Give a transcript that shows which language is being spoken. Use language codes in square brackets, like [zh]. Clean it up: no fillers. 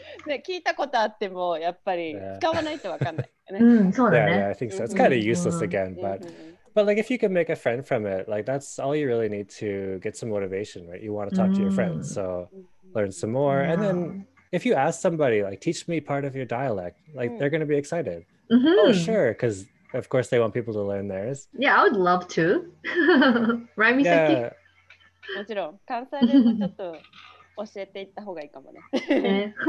[ja] ね、聞いたことあってもやっぱり使わないとわかんない。うん、そうだね。 [en] Yeah, I think so. It's kind of useless again, but but like if you can make a friend from it, like that's all you really need to get some motivation, right? You want to talk to your friends, so learn some more. Yeah. And then if you ask somebody, like, teach me part of your dialect, like they're going to be excited. Mm-hmm. Oh, sure, because of course they want people to learn theirs. Yeah, I would love to. Right, Misaki? Yeah. [ja] もちろん関西弁もちょっと教えていった方がいいかもね。